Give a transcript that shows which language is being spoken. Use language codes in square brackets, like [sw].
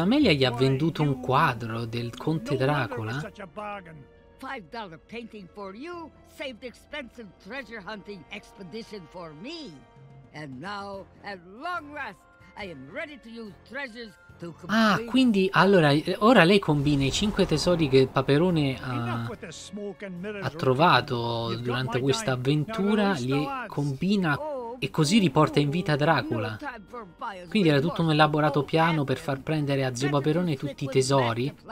[it] Amelia gli ha venduto un quadro del conte Dracula? [en] $5 painting for you saved expensive treasure hunting expedition for me. And now, at long last, I am ready to use treasures to complete... [it] Ah, quindi, allora, ora lei combina i 5 tesori che Paperone ha trovato durante questa avventura, li combina e così riporta in vita Dracula. Quindi era tutto un elaborato piano per far prendere a Zio Paperone tutti i tesori.